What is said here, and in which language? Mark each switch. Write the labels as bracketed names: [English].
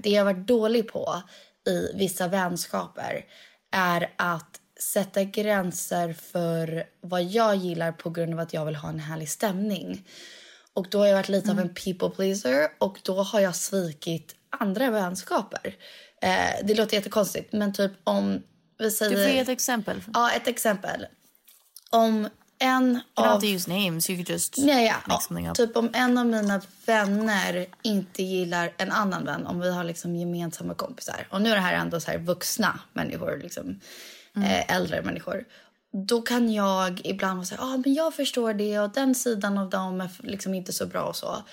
[Swedish] Det jag har varit dålig på i vissa vänskaper är att sätta gränser för vad jag gillar på grund av att jag vill ha en härlig stämning. Och då har jag varit lite av en people pleaser och då har jag svikit andra vänskaper. Det låter jättekonstigt, men typ om vi säger... Du får ge ett exempel. Ja, ett exempel. Om en av... [English] You don't have to use names, you could just make something up. [Swedish] Typ om en av mina vänner inte gillar en annan vän, om vi har liksom gemensamma kompisar. Och nu är det här ändå så här vuxna människor, liksom äldre människor. Då kan jag ibland vara så här, men jag förstår det och den sidan av dem är liksom inte så bra och så.